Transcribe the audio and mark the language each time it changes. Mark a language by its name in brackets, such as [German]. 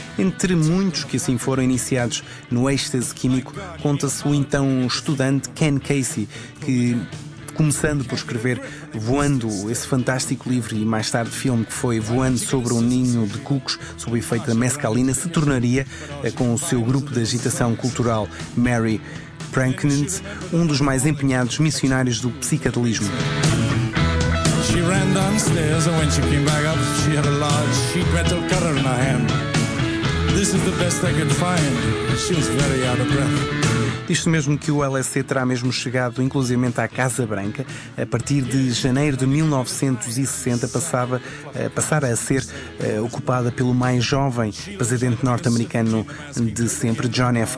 [Portuguese] Entre muitos que assim foram iniciados no êxtase químico, conta-se o então estudante Ken Casey, que, começando por escrever Voando, esse fantástico livro e mais tarde filme que foi Voando sobre um Ninho de Cucos, sob o efeito da mescalina, se tornaria, com o seu grupo de agitação cultural Mary Pregnant, um dos mais empenhados missionários do psicadelismo. [English] She ran downstairs, and when she came back up, she had a large sheet metal cutter in her hand. This is the best I could find. She was very out of breath. [Portuguese] Diz-se mesmo que o LSD terá mesmo chegado inclusivamente à Casa Branca. A partir de janeiro de 1960 passara a ser ocupada pelo mais jovem presidente norte-americano de sempre, John F.